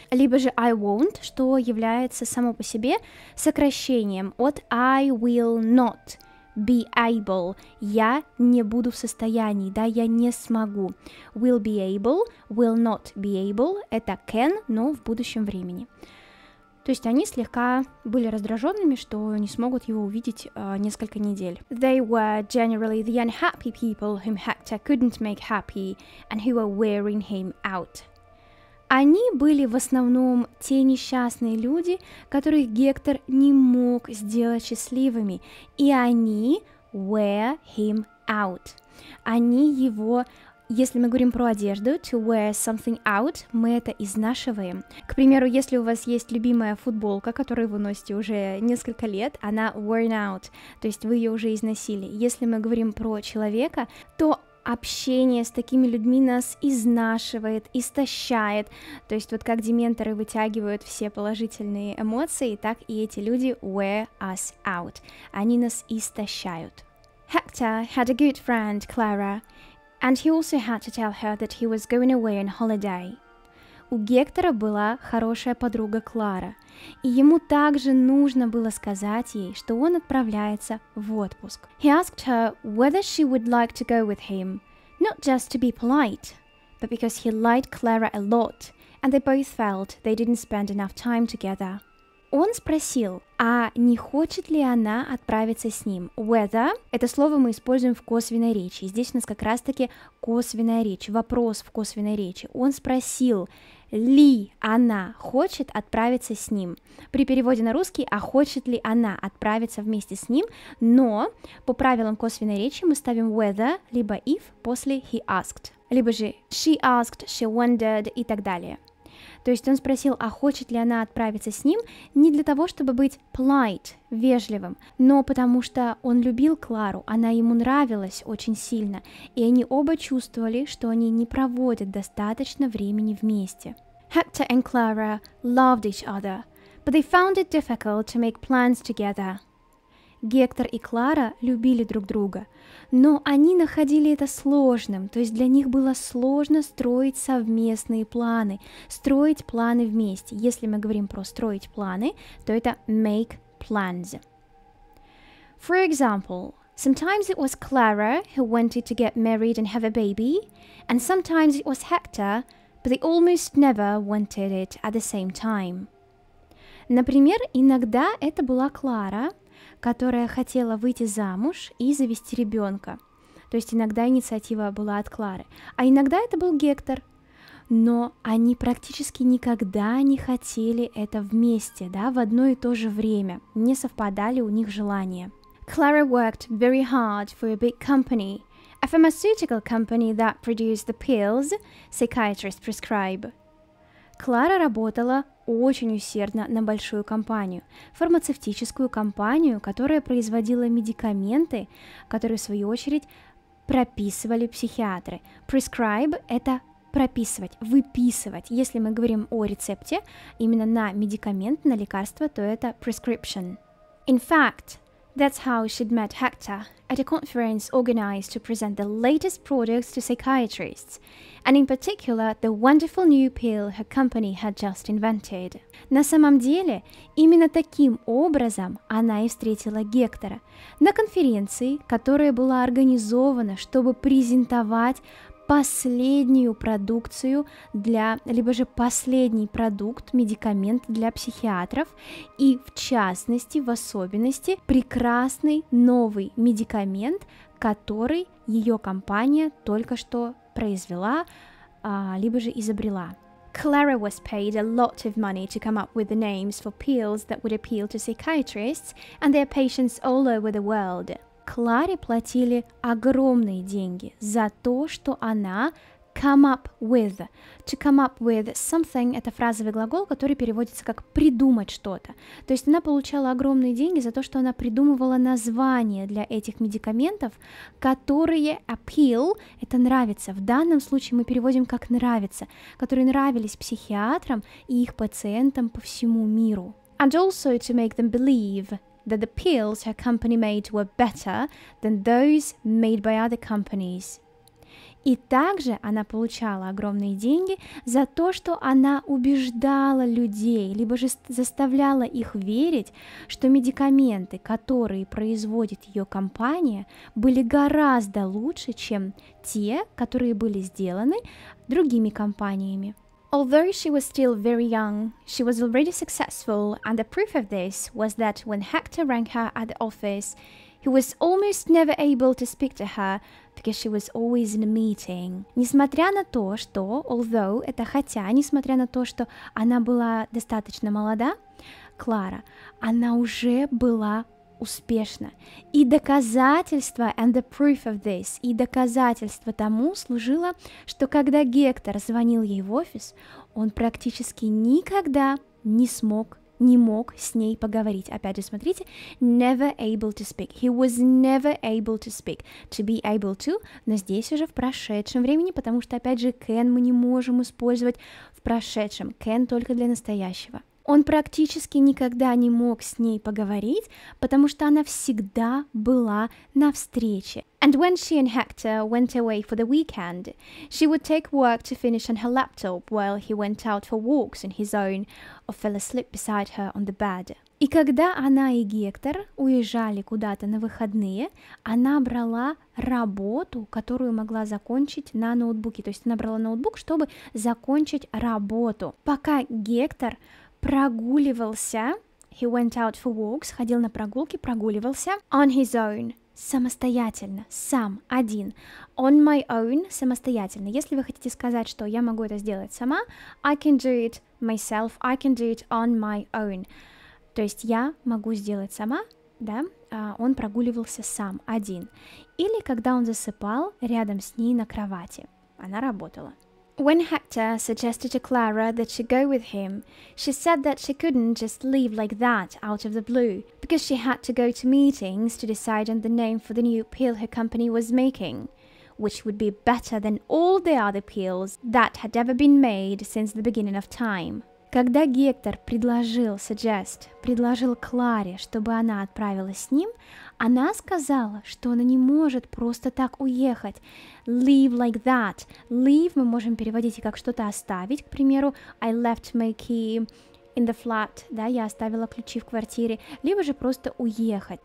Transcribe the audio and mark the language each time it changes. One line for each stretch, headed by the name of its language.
Russian: Либо же
English: I won't,
Russian: что является само по себе сокращением от
English: I will not be able.
Russian: Я не буду в состоянии, да, я не смогу.
English: Will be able, will not be able.
Russian: Это can, но в будущем времени. То есть они слегка были раздраженными, что не смогут его увидеть несколько недель.
English: They were generally the unhappy people whom Hector couldn't make happy and who were wearing him out.
Russian: Они были в основном те несчастные люди, которых Гектор не мог сделать счастливыми, и они
English: wear him out.
Russian: Они его... Если мы говорим про одежду,
English: to wear something out,
Russian: мы это изнашиваем. К примеру, если у вас есть любимая футболка, которую вы носите уже несколько лет, она
English: worn out,
Russian: то есть вы ее уже износили. Если мы говорим про человека, то общение с такими людьми нас изнашивает, истощает. То есть вот как дементоры вытягивают все положительные эмоции, так и эти люди
English: wear us out.
Russian: Они нас истощают.
English: Hector had a good friend, Clara. And he also had to tell her that he was going away on holiday.
Russian: у Гектора была хорошая подруга Клара, и ему также нужно было сказать ей, что он отправляется в отпуск.
English: He asked her whether she would like to go with him, not just to be polite, but because he liked Clara a lot, and they both felt they didn't spend enough time together.
Russian: Он спросил, а не хочет ли она отправиться с ним? Whether – это слово мы используем в косвенной речи. Здесь у нас как раз-таки косвенная речь, вопрос в косвенной речи. Он спросил, ли она хочет отправиться с ним? При переводе на русский, а хочет ли она отправиться вместе с ним? Но по правилам косвенной речи мы ставим whether, либо if после
English: he asked,
Russian: либо же
English: she asked, she wondered
Russian: и так далее. То есть он спросил, а хочет ли она отправиться с ним, не для того, чтобы быть polite, вежливым, но потому что он любил Клару, она ему нравилась очень сильно, и они оба чувствовали, что они не проводят достаточно времени вместе.
English: Hector and Clara loved each other, but they found it difficult to make plans together.
Russian: Гектор и Клара любили друг друга, но они находили это сложным, то есть для них было сложно строить совместные планы, строить планы вместе. Если мы говорим про строить планы, то это
English: make plans. For example, sometimes it was Clara who wanted to get married and have a baby, and sometimes it was Hector, but they almost never wanted it at the same time.
Russian: Например, иногда это была Клара, которая хотела выйти замуж и завести ребенка. То есть иногда инициатива была от Клары. А иногда это был Гектор. Но они практически никогда не хотели это вместе, да, в одно и то же время. Не совпадали у них желания.
English: Clara worked very hard for a big company. A pharmaceutical company that produced the pills psychiatrists prescribe.
Russian: Клара работала очень усердно на большую компанию, фармацевтическую компанию, которая производила медикаменты, которые, в свою очередь, прописывали психиатры. Prescribe – это прописывать, выписывать. Если мы говорим о рецепте, именно на медикамент, на лекарство, то это prescription.
English: In fact, that's how she'd met Hector at a conference organized to present the latest products to psychiatrists, and in particular the wonderful new pill her company had just invented.
Russian: На самом деле, именно таким образом она и встретила Гектора на конференции, которая была организована, чтобы презентовать последнюю продукцию для, либо же последний продукт, медикамент для психиатров, и в частности, в особенности, прекрасный новый медикамент, который ее компания только что произвела, либо же изобрела.
English: Clara was paid a lot of money to come up with the names for pills that would appeal to psychiatrists and their patients all over the world.
Russian: Кларе платили огромные деньги за то, что она
English: come up with. To come up with something
Russian: – это фразовый глагол, который переводится как «придумать что-то». То есть она получала огромные деньги за то, что она придумывала название для этих медикаментов, которые appeal – это «нравится». В данном случае мы переводим как «нравится», которые нравились психиатрам и их пациентам по всему миру.
English: And also to make them believe that the pills her company made were better than those made by other companies.
Russian: И также она получала огромные деньги за то, что она убеждала людей, либо же заставляла их верить, что медикаменты, которые производит ее компания, были гораздо лучше, чем те, которые были сделаны другими компаниями.
English: Although she was still very young, she was already successful, and the proof of this was that when Hector rang her at the office, he was almost never able to speak to her because she was always in a meeting.
Russian: Несмотря на то, что, although, это хотя, несмотря на то, что она была достаточно молода, Клара, она уже была успешна. И доказательство,
English: and the proof of this,
Russian: и доказательство тому служило, что когда Гектор звонил ей в офис, он практически никогда не смог, не мог с ней поговорить. Опять же, смотрите,
English: never able to speak. He was never able to speak. To be able to,
Russian: но здесь уже в прошедшем времени, потому что, опять же, can мы не можем использовать в прошедшем. Can только для настоящего. Он практически никогда не мог с ней поговорить, потому что она всегда была на встрече.
English: And when she and Hector went away for the weekend, she would take work to finish on her laptop while he went out for walks on his own or fell asleep beside her on the bed.
Russian: И когда она и Гектор уезжали куда-то на выходные, она брала работу, которую могла закончить на ноутбуке. То есть она брала ноутбук, чтобы закончить работу. Пока Гектор прогуливался,
English: he went out for walks,
Russian: ходил на прогулки, прогуливался
English: on his own,
Russian: самостоятельно, сам, один,
English: on my own,
Russian: самостоятельно. Если вы хотите сказать, что я могу это сделать сама,
English: I can do it myself, I can do it on my own.
Russian: То есть я могу сделать сама, да, он прогуливался сам, один. Или когда он засыпал рядом с ней на кровати, она работала.
English: When Hector suggested to Clara that she go with him, she said that she couldn't just leave like that out of the blue, because she had to go to meetings to decide on the name for the new pill her company was making, which would be better than all the other pills that had ever been made since the beginning of time.
Russian: Когда Гектор предложил, suggest, предложил Кларе, чтобы она отправилась с ним, она сказала, что она не может просто так уехать.
English: Leave like that.
Russian: Leave мы можем переводить и как что-то оставить, к примеру,
English: I left my key in the flat,
Russian: да, я оставила ключи в квартире, либо же просто уехать.